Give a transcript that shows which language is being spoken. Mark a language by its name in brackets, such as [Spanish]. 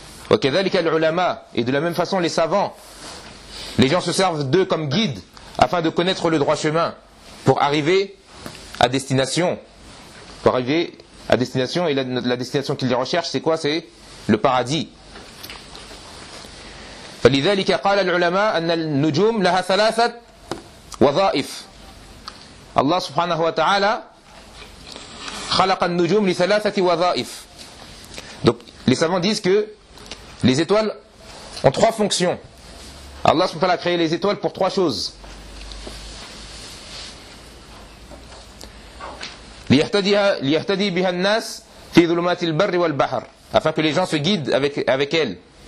[Arabic] وكذلك العلماء, [French] et de la même façon les savants, les gens se servent d'eux comme guide afin de connaître le droit chemin pour arriver à destination, pour arriver à destination, et la destination qu'il recherche, c'est quoi? C'est le paradis. [Arabic] فلذلك قال العلماء أن النجوم لها ثلاثة وظائف. Allah سبحانه وتعالى خلق النجوم لثلاثة وظائف. [French] Donc, les savants disent que les étoiles ont trois fonctions. Allah سبحانه وتعالى a créé les étoiles pour trois choses. [Arabic] ليهتدي بها الناس في ظلمات البر والبحر [French] afin que les gens se guident avec elle.